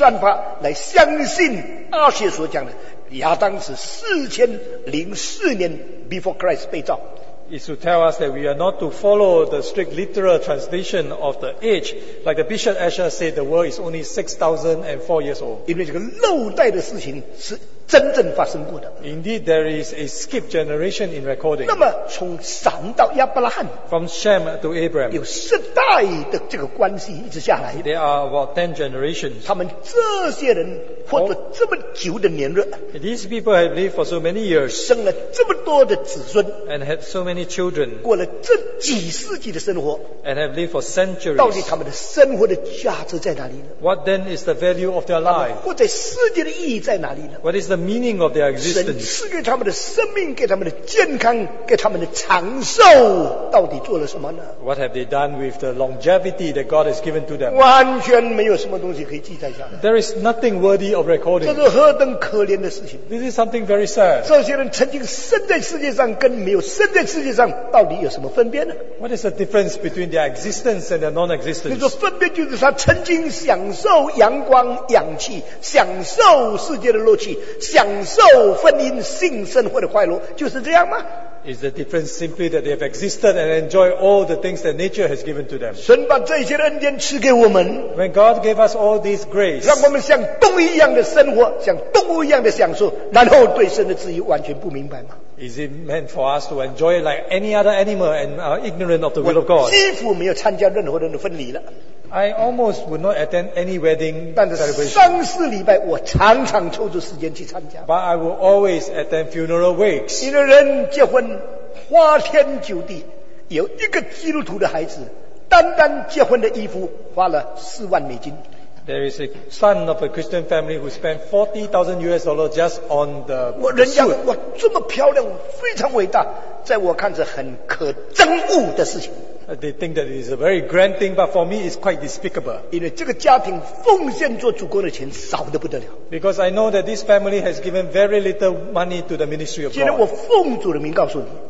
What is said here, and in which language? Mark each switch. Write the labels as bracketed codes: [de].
[zh] 只要我们不照着旧约年代的计算法来相信阿学所讲的, 亚当是4004年 [en] before Christ [zh] 被造, [en] is to tell us that we are not to follow the strict literal translation of the age, like the Bishop Asher said, the world is only 6004 years old. [zh] 因为这个漏代的事情是 真正发生过的, [en] indeed there is a skip generation in recording. [zh] 那么从闪到亚伯拉罕, [en] from Shem to Abraham, [zh] 有十代的这个关系一直下来, [en] there are about 10 generations. [zh] 他们这些人活了这么久的年日, [en] these people have lived for so many years, [zh] 生了这么多的子孙, [en] and had so many children, [zh] 过了这几世纪的生活, [en] and have lived for centuries. [zh] 到底他们的生活的价值在哪里呢? [en] What then is the value of their life? [zh] 他们活在世界的意义在哪里呢? [en] What is the meaning of their existence? [zh] 神赐给他们的生命, 给他们的健康, 给他们的长寿, 到底做了什么呢? [en] What have they done with the longevity that God has given to them? [zh] 完全没有什么东西可以记载下来, [en] there is nothing worthy of recording. [zh] 这是何等可怜的事情, [en] this is something very sad. [zh] 这些人曾经生在世界上, 跟没有生在世界上, 到底有什么分别呢? [en] What is the difference between their existence and their non-existence? [zh] 就是分别就是他曾经享受阳光, 氧气, 享受世界的乐趣, 享受婚姻性生活的快乐, 就是这样吗? [en] Is the difference simply that they have existed and enjoyed all the things that nature has given to them? [zh] 神把这些恩典赐给我们, [en] when God gave us all this grace, [zh] 让我们像动物一样的生活, 像动物一样的享受, 然后对神的旨意完全不明白吗? [en] Is it meant for us to enjoy it like any other animal and are ignorant of the will of God? [zh] 我几乎没有参加任何人的婚礼了, [en] I almost would not attend any wedding celebration. But I will always attend funeral wakes. [zh] 一个人结婚, 花天酒地, 有一个基督徒的孩子, 单单结婚的衣服, 花了4万美金。 [en] There is a son of a Christian family who spent $40,000 just on the suit. [zh] 人家这么漂亮, 非常伟大, 在我看着很可憎恶的事情。 [en] They think that it is a very grand thing, but for me it's quite despicable. Because I know that this family has given very little money to the ministry of God.